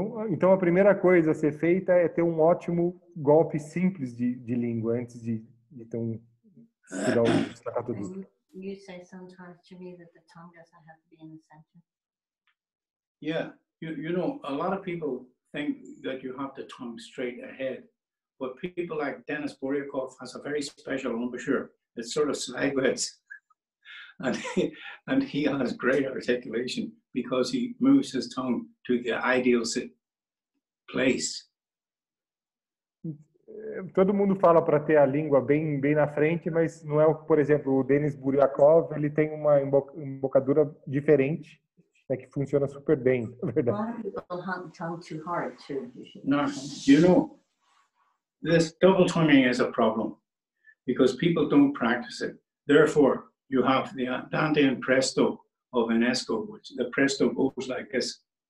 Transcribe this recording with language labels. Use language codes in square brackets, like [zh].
[pt] Então, a primeira coisa a ser feita é ter um ótimo golpe simples de língua antes de ter um tirar o staccato duplo. [en] You say sometimes to me that the tongue doesn't have to be in the center. Yeah, you know, a lot of people think that you have the tongue straight ahead, but people like Denis Boryakov has a very special embouchure. It's sort of sideways, and he has great articulation because he moves his tongue to the ideal place. [pt] Todo mundo fala para ter a língua bem na frente, mas não é, por exemplo, o Denis Boryakov, ele tem uma embocadura diferente. É que funciona super bem, na verdade. [en] No, you know, this double tonguing is a problem because people don't practice it. Therefore, you have the Dante and Presto of Enesco, which the Presto goes like this.